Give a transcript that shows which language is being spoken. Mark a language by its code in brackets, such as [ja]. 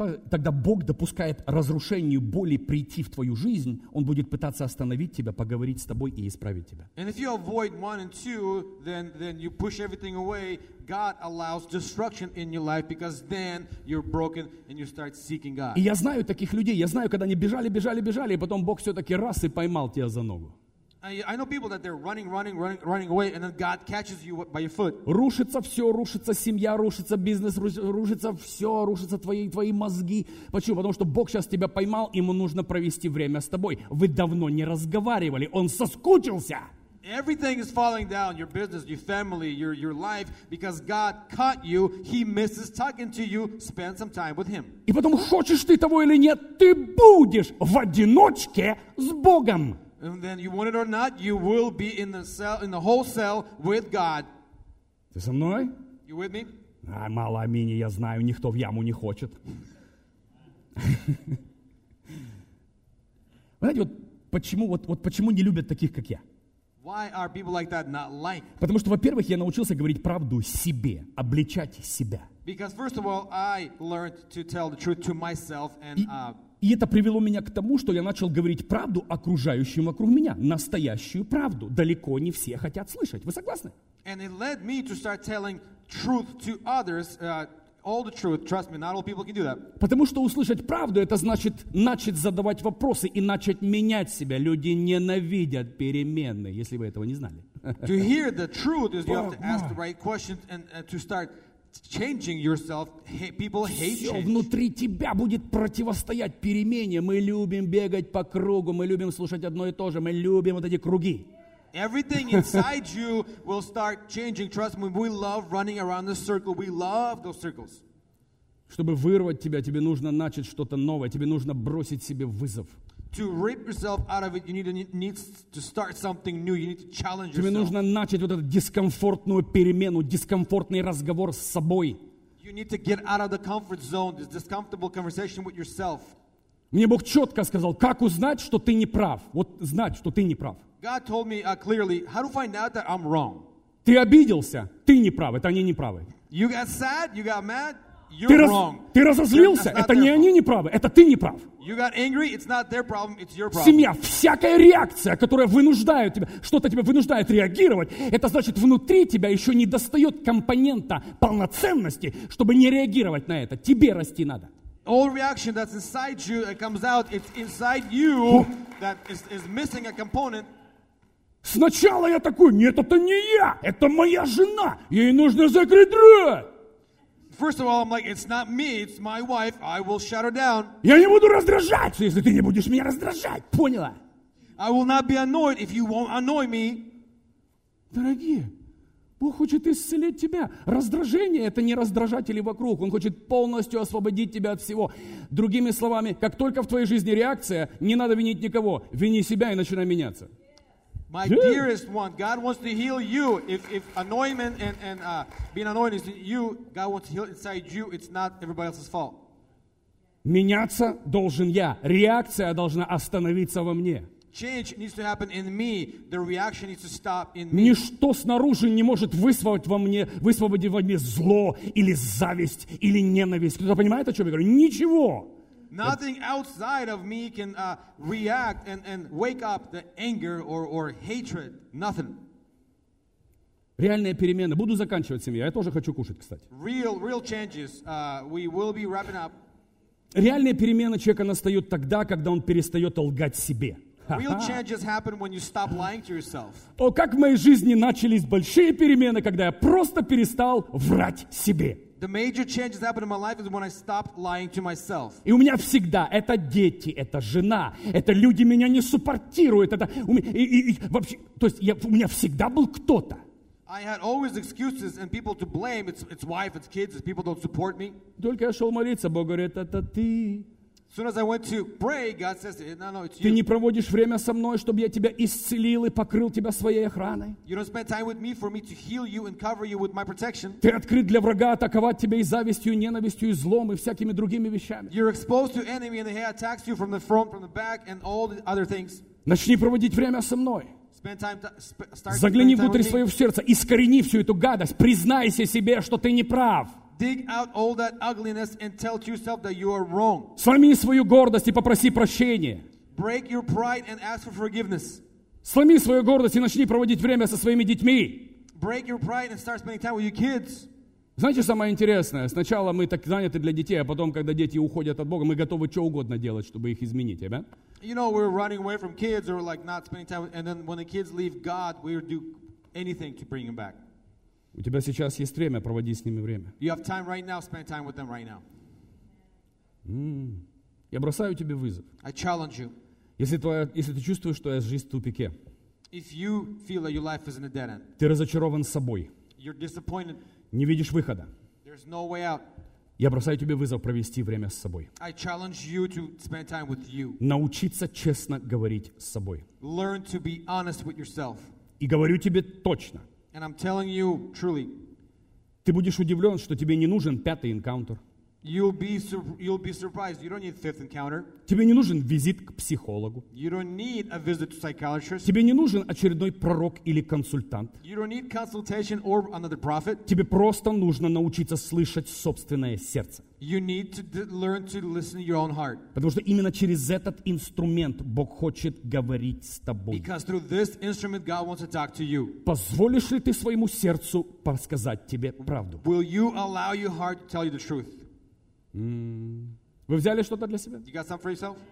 [ru] тогда Бог допускает разрушению боли прийти в твою жизнь, Он будет пытаться остановить тебя, поговорить с тобой и исправить тебя. [en] And if you avoid one and two, then you push everything away, God allows destruction in your life, because then you're broken and you start seeking God. [ru] И я знаю таких людей, я знаю, когда они бежали, и потом Бог все-таки раз и поймал тебя за ногу. [en] I know people that they're running away, and then God catches you by your foot. [ru] Рушится все, рушится семья, рушится бизнес, рушится все, рушится твои мозги. Почему? Потому что Бог сейчас тебя поймал, ему нужно провести время с тобой. Вы давно не разговаривали, он соскучился. [en] Everything is falling down, your business, your family, your life, because God caught you, he misses talking to you, spend some time with him. [ru] И потом, хочешь ты того или нет, ты будешь в одиночке с Богом. [en] And then you want it or not, you will be in the cell, in the whole cell with God. [ru] Ты со мной? [en] You with me? [ru] Ай, мало аминь, я знаю, никто в яму не хочет. Вы знаете, почему не любят таких, как я? [en] Why are people like that not like? [ru] Потому что, во-первых, я научился говорить правду себе, обличать себя. [en] Because first of all, I learned to tell the truth to myself and [ru] И это привело меня к тому, что я начал говорить правду окружающим вокруг меня. Настоящую правду. Далеко не все хотят слышать. Вы согласны? [en] And it led me to start telling truth to others. All the truth. Trust me, not all people can do that. [ru] Потому что услышать правду, это значит начать задавать вопросы и начать менять себя. Люди ненавидят перемены, если вы этого не знали. [en] To hear the truth is you have to ask the right questions and to start... Changing yourself, people hate change. [ru] Все внутри тебя будет противостоять перемене. Мы любим бегать по кругу, мы любим слушать одно и то же, мы любим вот эти круги. [en] Everything inside you will start changing. Trust me, we love running around the circle. We love those circles. [ru] Чтобы вырвать тебя, тебе нужно начать что-то новое. Тебе нужно бросить себе вызов. [en] To rip yourself out of it, you need to start something new. You need to challenge yourself. [ru] Тебе нужно начать вот эту дискомфортную перемену, дискомфортный разговор с собой. [en] You need to get out of the comfort zone, this discomfortable conversation with yourself. [ru] Мне Бог четко сказал, как узнать, что ты не прав. Вот знать, что ты не прав. [en] God told me clearly, how to find out that I'm wrong. [ru] Ты обиделся, ты не прав, это они не правы. [en] You got sad, you got mad. You're wrong. [ru] Ты разозлился, это не они неправы, это ты неправ. [en] You got angry, it's not their problem, it's your problem. [ru] Семья, всякая реакция, которая вынуждает тебя, что-то тебя вынуждает реагировать, это значит, внутри тебя еще не достает компонента полноценности, чтобы не реагировать на это. Тебе расти надо. [en] All reaction that's inside you, that comes out, it's inside you that is missing a component. [ru] Сначала я такой, нет, это не я, это моя жена, ей нужно закрыть рот. [en] First of all, I'm like, it's not me, it's my wife. I will shut her down. [ru] Я не буду раздражаться, если ты не будешь меня раздражать. Поняла? [en] I will not be annoyed if you won't annoy me. [ru] Дорогие, Бог хочет исцелить тебя. Раздражение — это не раздражатели вокруг. Он хочет полностью освободить тебя от всего. Другими словами, как только в твоей жизни реакция, не надо винить никого. Вини себя и начинай меняться. [en] My dearest one, God wants to heal you. If annoyment and being annoyed is you, God wants to heal inside you. It's not everybody else's fault. [ru] Меняться должен я. Реакция должна остановиться во мне. [en] Change needs to happen in me. The reaction needs to stop in me. [ru] Ничто снаружи не может высвободить во мне зло или зависть или ненависть. Кто-то понимает, о чем я говорю? Ничего. [en] Nothing outside of me can react and wake up the anger or hatred. Nothing. [ru] Реальные перемены. Буду заканчивать, семья. Я тоже хочу кушать, кстати. [en] Real changes. We will be wrapping up. [ru] Реальные перемены человека настают тогда, когда он перестает лгать себе. [en] Real changes happen when you stop lying to yourself. [ru] О, как в моей жизни начались большие перемены, когда я просто перестал врать себе. [en] The major change that happened in my life is when I stopped lying to myself. [ru] И у меня всегда это дети, это жена, это люди меня не суппортируют, это у меня и вообще, то есть я, у меня всегда был кто-то. [en] I had always excuses and people to blame. It's wife, it's kids, it's people don't support me. [ru] Только я шел молиться, Бог говорит, это ты. [en] Soon as I went to pray, God says, "No, no, it's you." [ru] Ты не проводишь время со мной, чтобы я тебя исцелил и покрыл тебя своей охраной. [en] You don't spend time with me for me to heal you and cover you with my protection. [ru] Ты открыт для врага атаковать тебя и завистью, и ненавистью, и злом и всякими другими вещами. [en] You're exposed to enemy and he attacks you from the front, from the back, and all the other things. [ru] Начни проводить время со мной. [en] Spend time to, start [ru] Загляни внутрь своего сердца, искорени всю эту гадость, признайся себе, что ты не прав. [en] Dig out all that ugliness and tell to yourself that you are wrong. [ru] Сломи свою гордость и попроси прощения. [en] Break your pride and ask for forgiveness. [ru] Сломи свою гордость и начни проводить время со своими детьми. [en] Break your pride and start spending time with your kids. [ru] Знаете, самое интересное? Сначала мы так заняты для детей, а потом, когда дети уходят от Бога, мы готовы что угодно делать, чтобы их изменить. [en] Amen? You know, we're running away from kids or like not spending time with, and then when the kids leave God, we do anything to bring them back. [ru] У тебя сейчас есть время, проводи с ними время. [en] You have time right now, spend time with them right now. [ru] Я бросаю тебе вызов. [en] I challenge you. [ru] Если ты чувствуешь, что жизнь в тупике. [en] If you feel that your life is in a dead end. [ru] Ты разочарован собой. [en] You're disappointed. [ru] Не видишь выхода. [en] There's no way out. [ru] Я бросаю тебе вызов провести время с собой. [en] I challenge you to spend time with you. [ru] Научиться честно говорить с собой. [en] Learn to be honest with yourself. [ru] И говорю тебе точно. [en] And I'm telling you truly. [ru] Ты будешь удивлен, что тебе не нужен пятый encounter. [en] You'll be surprised. You don't need a fifth encounter. [ru] Тебе не нужен визит к психологу. [en] You don't need a visit to psychiatrist. [ru] Тебе не нужен очередной пророк или консультант. [en] You don't need consultation or another prophet. [ru] Тебе просто нужно научиться слышать собственное сердце. [en] You need to learn to listen to your own heart. [ru] Потому что именно через этот инструмент Бог хочет говорить с тобой. [en] Because through this instrument God wants to talk to you. [ru] Позволишь ли ты своему сердцу рассказать тебе правду? [en] Will you allow your heart to tell you the truth? [ru] Вы взяли что-то для себя? [en] You got something for yourself?